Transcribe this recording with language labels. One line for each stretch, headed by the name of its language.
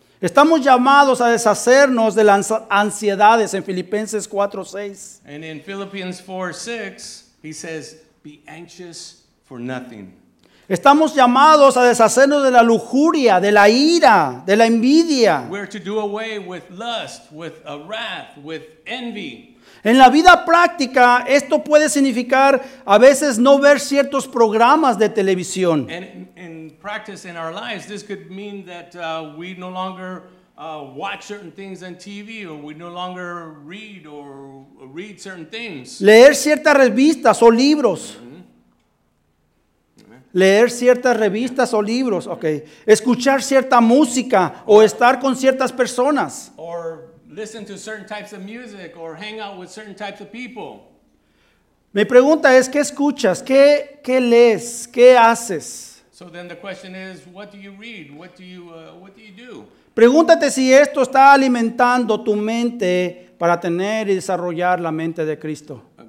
Spanish: Estamos llamados a deshacernos de las ansiedades en Filipenses 4:6.
English: And in Philippians 4:6, he says, be anxious for nothing.
Spanish: Estamos llamados a deshacernos de la lujuria, de la ira, de la envidia.
English: We're to do away with lust, with a wrath, with envy.
Spanish: En la vida práctica, esto puede significar a veces no ver ciertos programas de televisión.
English: In practice, in our lives, this could mean that we no longer watch certain things on TV, or we no longer read certain things.
Spanish: Leer ciertas revistas o libros. Leer ciertas revistas o libros, okay. Escuchar cierta música o estar con ciertas personas.
English: Or listen to certain types of music or hang out with certain types of people.
Spanish: Mi pregunta es, ¿qué escuchas? ¿Qué lees? ¿Qué haces?
English: So then the question is, what do you read? What do you do?
Spanish: Pregúntate si esto está alimentando tu mente para tener y desarrollar la mente de Cristo.